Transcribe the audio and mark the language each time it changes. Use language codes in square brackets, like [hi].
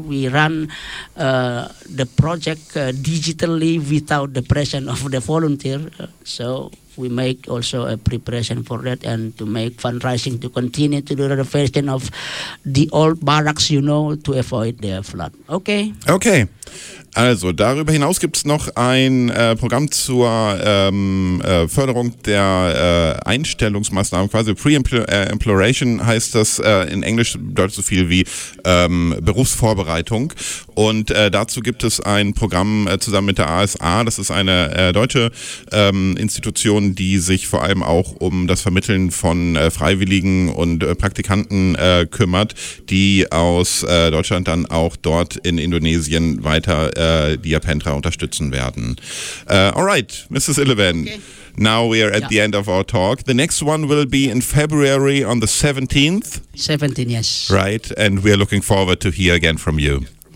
[en] We run the project digitally without the presence of the volunteer. So we make also a preparation for that and to make fundraising to continue to do the renovation of the old barracks, you know, to avoid the flood. Okay. Okay. [de] Also darüber hinaus gibt es noch ein Programm zur Förderung der Einstellungsmaßnahmen, quasi Pre-Imploration heißt das in Englisch, bedeutet so viel wie Berufsvorbereitung. Und dazu gibt es ein Programm zusammen mit der ASA, das ist eine deutsche Institution, die sich vor allem auch um das Vermitteln von Freiwilligen und Praktikanten kümmert, die aus Deutschland dann auch dort in Indonesien weiter die Japentra unterstützen werden. [en] All right, Mrs. Illeven. Okay. Now we are at the end of our talk. The next one will be in February on the 17th. 17, yes. Right, and we are looking forward to hear again from you.